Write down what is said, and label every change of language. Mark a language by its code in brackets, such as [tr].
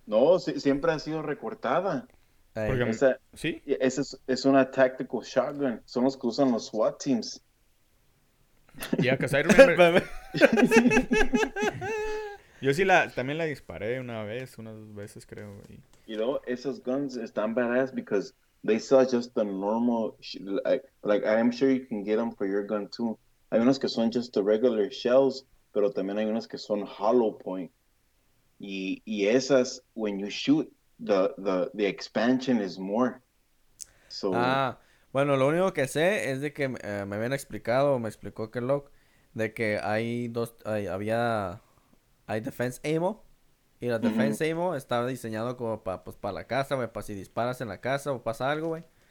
[es] No, sí, siempre ha sido recortada. Porque esa, ¿sí? Esa es una tactical shotgun. Son los que usan los SWAT teams. [en] Ya, yeah, because I remember... [es] Yo sí también la disparé unas dos veces, creo. Y luego, esas guns están badass [en] because they sell just the normal, like, I'm sure you can get them for your gun too. [es] Hay unas que son [en] just the regular shells, [es] pero también hay unas que son hollow point. Y esas, [en] when you shoot, the expansion is more. So, [es] ah, bueno, lo único que sé es de que me habían explicado, me explicó que de que hay dos, hay defense ammo, y la defense ammo estaba diseñado como para la casa, güey, para si disparas en la casa o pasa algo, güey.